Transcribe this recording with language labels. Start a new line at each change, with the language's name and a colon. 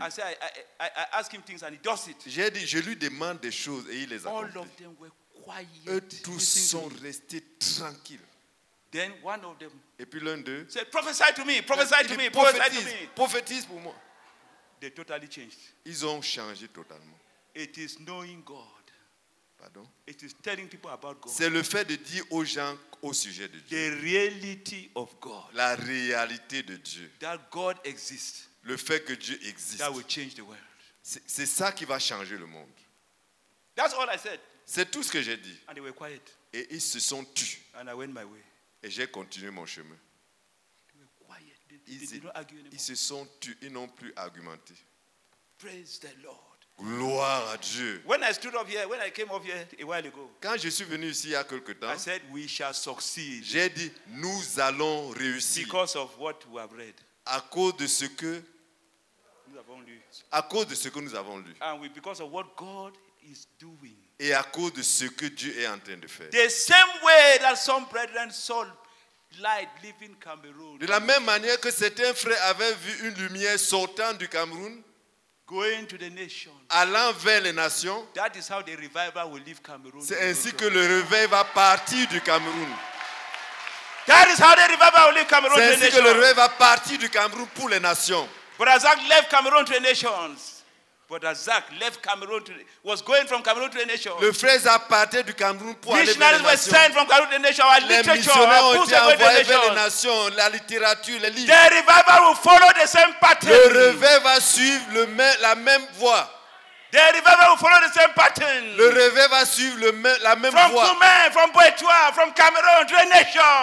English: I say, I ask him things and he does it.
French: J'ai dit, je lui demande des choses et il les accomplit.
English: All of them were quiet.
French: Eux tous sont restés tranquilles.
English: Then one of them
French: et puis l'un d'eux
English: said, prophesy to me, prophesy to me, prophesy to me.
French: Prophétise pour moi.
English: They totally changed.
French: Ils ont changé totalement.
English: It is knowing God.
French: Pardon?
English: It is telling people about God.
French: C'est le fait de dire aux gens au sujet de Dieu.
English: The reality of God.
French: La réalité de Dieu.
English: That God exists.
French: Le fait que Dieu existe.
English: That will change the world.
French: C'est ça qui va changer le monde.
English: That's all I said.
French: C'est tout ce que j'ai dit.
English: And they were quiet.
French: Et ils se sont tus.
English: And I went my way.
French: Et j'ai continué mon chemin. Ils se sont tus, ils n'ont plus argumenté.
English: Praise the Lord.
French: Gloire à Dieu.
English: When I stood up here, when I came up here a while ago,
French: quand je suis venu ici il y a quelque temps,
English: I said we shall succeed.
French: J'ai dit nous allons réussir.
English: Because of what we have read.
French: À cause de ce que nous avons lu. À cause de ce que nous avons lu.
English: And because of what God is doing.
French: Et à cause de ce que Dieu est en train de faire.
English: The same way that some brethren saw light leaving Cameroon.
French: De la même manière que certains frères avaient vu une lumière sortant du Cameroun.
English: Going to the nation.
French: Allant vers les nations.
English: That is how the revival will leave Cameroon.
French: C'est ainsi que le réveil va partir du Cameroun.
English: That is how the revival will leave Cameroon.
French: C'est ainsi que le réveil va partir du Cameroun pour les nations.
English: But as that left Cameroon to the nations. Brother Zach left Cameroon to, was going from Cameroon to the nation.
French: Le frère Zach partait du Cameroun pour aller vers les nations.
English: Missionaries were sent from Cameroon to the nation. Our literature,
French: les missionnaires
English: our books were going to the
French: nation. La littérature, les livres.
English: The revival will follow the same pattern.
French: Le réveil va suivre la même voie.
English: The revival will follow the same pattern.
French: Le réveil va suivre la même
English: from
French: voie.
English: From Koumé, from Bétoua, from Cameroon to the nation.